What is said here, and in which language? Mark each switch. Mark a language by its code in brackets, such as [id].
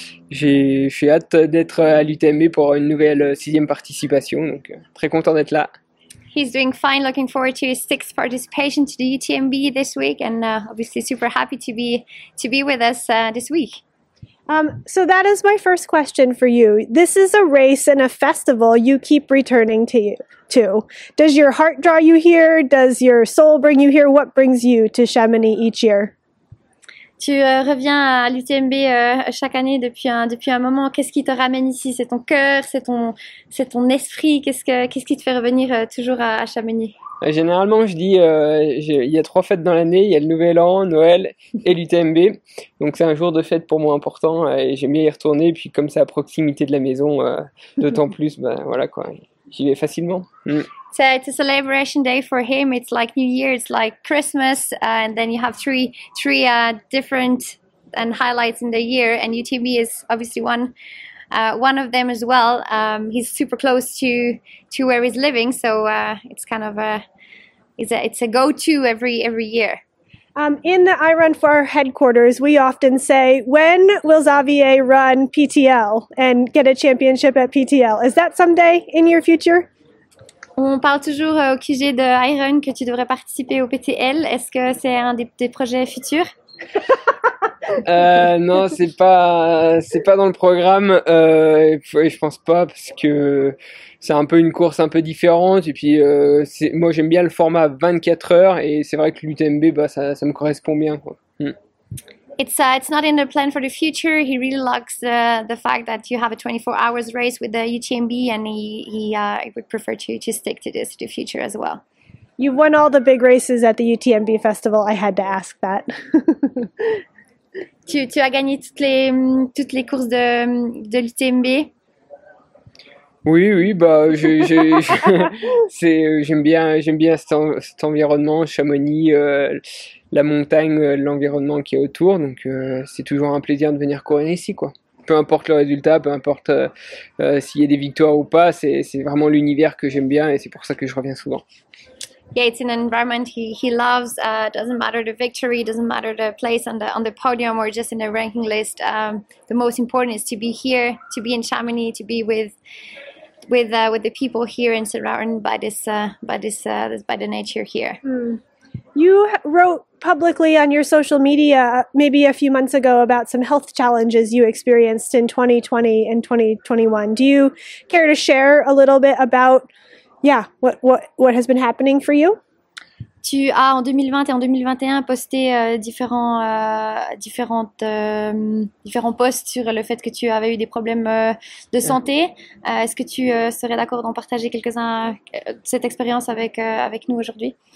[fr] J'ai hâte d'être à l'UTMB pour une nouvelle sixième participation. Donc, très content d'être là. [en] He's doing fine. Looking forward to his sixth participation to the UTMB this week. And obviously, super happy to be with us this week. So that is my first question for you. This is a race and a festival you keep returning to. Does your heart draw you here? Does your soul bring you here? What brings you to Chamonix each year? [fr] Tu reviens à l'UTMB chaque année depuis un moment. Qu'est-ce qui te ramène ici? C'est ton cœur, c'est ton esprit. Qu'est-ce qui te fait revenir toujours à Chamonix? Généralement, je dis, il y a trois fêtes dans l'année. Il y a le Nouvel An, Noël et l'UTMB. Donc, c'est un jour de fête pour moi important et j'aime bien y retourner. Et puis, comme c'est à proximité de la maison, d'autant plus, ben voilà quoi, j'y vais facilement. [en] So it's a celebration day for him. It's like New Year, it's like Christmas, and then you have three different and highlights in the year, and UTMB is obviously one of them as well. He's super close to where he's living, so it's kind of a go-to every year. In the I Run Far headquarters, we often say, when will Xavier run PTL and get a championship at PTL? Is that someday in your future? [fr] On parle toujours au QG de Iron que tu devrais participer au PTL. Est-ce que c'est un des projets futurs? Non, c'est pas dans le programme. Je pense pas parce que c'est un peu une course un peu différente. Et puis moi j'aime bien le format 24 heures et c'est vrai que l'UTMB bah ça me correspond bien quoi. [en] It's not in the plan for the future. He really likes the fact that you have a 24 hours race with the UTMB, and he would prefer to stick to this in the future as well. You've won all the big races at the UTMB festival. I had to ask that. [fr] Tu as gagné toutes les courses de l'UTMB. Oui, bah, j'aime bien cet environnement, Chamonix, la montagne, l'environnement qui est autour, donc c'est toujours un plaisir de venir courir ici, quoi. Peu importe le résultat, peu importe s'il y a des victoires ou pas, c'est vraiment l'univers que j'aime bien et c'est pour ça que je reviens souvent. [en] Yeah, it's an environment he loves. Doesn't matter the victory, doesn't matter the place on the podium or just in the ranking list. The most important is to be here, to be in Chamonix, to be with the people here and surrounded by this by the nature here. You wrote publicly on your social media maybe a few months ago about some health challenges you experienced in 2020 and 2021. Do you care to share a little bit about? Yeah, what has been happening for you? [fr] Tu as en 2020 et en 2021 posté différents posts sur le fait que tu avais eu des problèmes de santé. Est-ce que tu serais d'accord d'en partager quelques-uns cette expérience avec nous aujourd'hui?